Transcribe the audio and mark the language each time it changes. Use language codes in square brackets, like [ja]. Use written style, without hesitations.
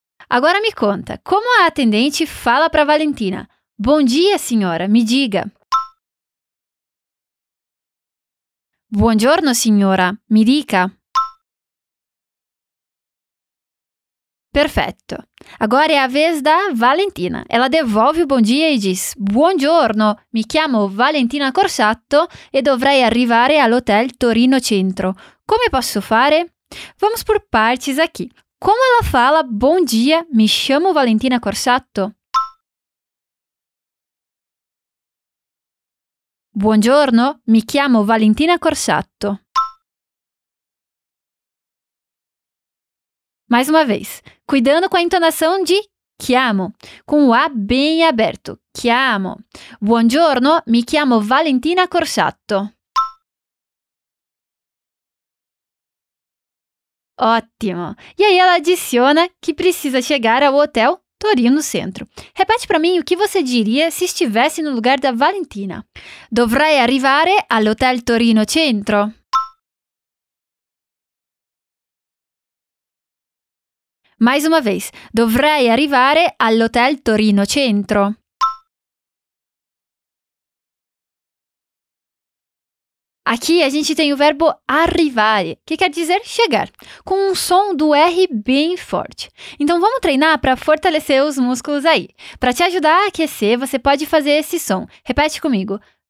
[pt] Agora me conta, como a atendente fala para Valentina? Bom dia, senhora, me diga. [it] Buongiorno, signora, mi dica. Perfetto. [pt] Agora é a vez da Valentina. Ela devolve o bom dia e diz: [it] Buongiorno, mi chiamo Valentina Corsatto e dovrei arrivare all'Hotel Torino Centro. Come posso fare? [pt] Vamos por partes aqui. Como ela fala bom dia, [it] mi chamo Valentina Corsatto? Buongiorno, mi chiamo Valentina Corsatto. [pt] Mais uma vez, cuidando com a entonação de chiamo, com o A bem aberto. [it] Chiamo. Buongiorno, mi chiamo Valentina Corsatto. [pt] Ótimo! E aí ela adiciona que precisa chegar ao hotel Torino Centro. Repete para mim o que você diria se estivesse no lugar da Valentina. [it] Dovrei arrivare all'hotel Torino Centro. [pt] Mais uma vez. [it] Dovrei arrivare all'hotel Torino Centro. [pt] Aqui a gente tem o verbo arrivare, que quer dizer chegar, com um som do R bem forte. Então vamos treinar para fortalecer os músculos aí. Para te ajudar a aquecer, você pode fazer esse som. Repete comigo.